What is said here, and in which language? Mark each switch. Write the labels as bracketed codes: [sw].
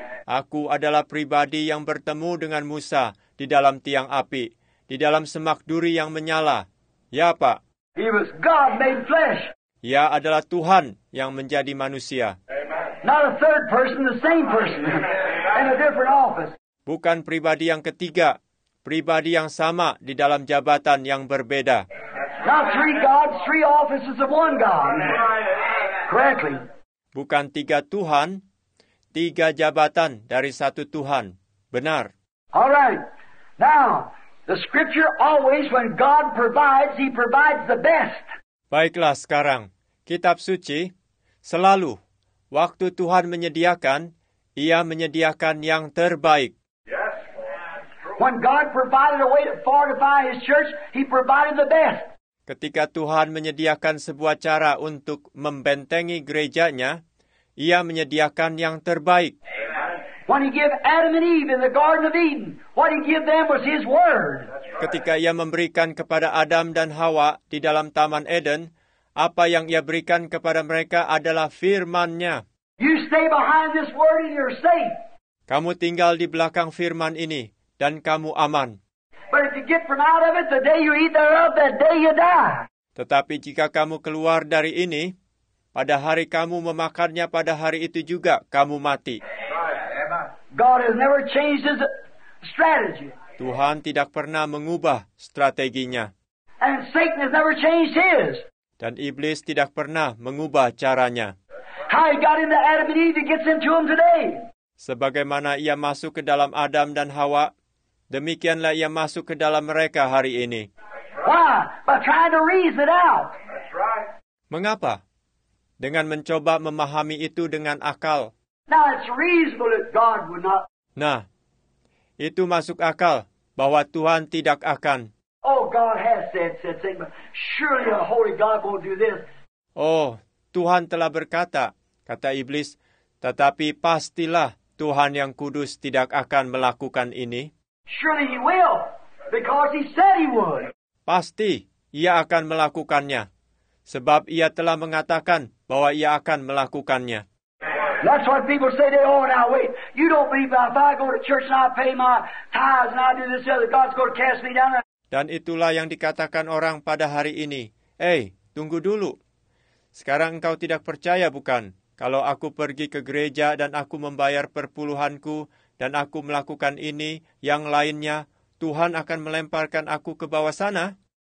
[id] Aku adalah pribadi yang bertemu dengan Musa di dalam tiang api, di dalam semak duri yang menyala. Ya, Pak. [en] He was God made flesh. [id] Ia adalah Tuhan yang menjadi manusia. [en] Not a third person, the same person, in a different office. [id] Bukan pribadi yang ketiga, pribadi yang sama di dalam jabatan yang berbeda. [en] Not three gods, three offices of one God. Correctly. [id] Bukan tiga Tuhan, tiga jabatan dari satu Tuhan. Benar. [en] All right. Now, the scripture always, when God provides, he provides the best. [id] Baiklah sekarang. Kitab suci, selalu, waktu Tuhan menyediakan, ia menyediakan yang terbaik. [en] Yes. When God provided a way to fortify his church, he provided the best. [id] Ketika Tuhan menyediakan sebuah cara untuk membentengi gerejanya, ia menyediakan yang terbaik. [en] When he gave Adam and Eve in the Garden of Eden, what he gave them was his word. [id] Ketika ia memberikan kepada Adam dan Hawa di dalam Taman Eden, apa yang ia berikan kepada mereka adalah firman-Nya. [en] You stay behind this word and you're safe. [id] Kamu tinggal di belakang firman ini dan kamu aman. [en] But if you get from out of it, the day you eat thereof, that day you die. [id] Tetapi jika kamu keluar dari ini, pada hari kamu memakannya, pada hari itu juga kamu mati. [en] God has never changed his strategy. [id] Tuhan tidak pernah mengubah strateginya. [en] And Satan has never changed his. [id] Dan iblis tidak pernah mengubah caranya. [en] How he got into Adam and Eve, he gets into them today. [id] Sebagaimana ia masuk ke dalam Adam dan Hawa, demikianlah ia masuk ke dalam mereka hari ini. [en] Why? By trying to reason it out. [id] Mengapa? Dengan mencoba memahami itu dengan akal. [en] Now it's reasonable that God would not. [id] Nah, itu masuk akal bahwa Tuhan tidak akan. [en] Oh, God has said Satan, but surely a holy God won't do this. [id] Oh, Tuhan telah berkata, kata iblis, tetapi pastilah Tuhan yang kudus tidak akan melakukan ini. [en] Surely he will, because he said he would. [id] Pasti ia akan melakukannya, sebab ia telah mengatakan bahwa ia akan melakukannya. [en] That's what people say. They, oh, now wait, you don't believe that if I go to church and I pay my tithes and I do this other, God's going to cast me down. [id] Dan itulah yang dikatakan orang pada hari ini. Hey, tunggu dulu. Sekarang engkau tidak percaya, bukan? Kalau aku pergi ke gereja dan aku membayar perpuluhanku dan aku melakukan ini, yang lainnya, Tuhan akan melemparkan aku ke bawah sana?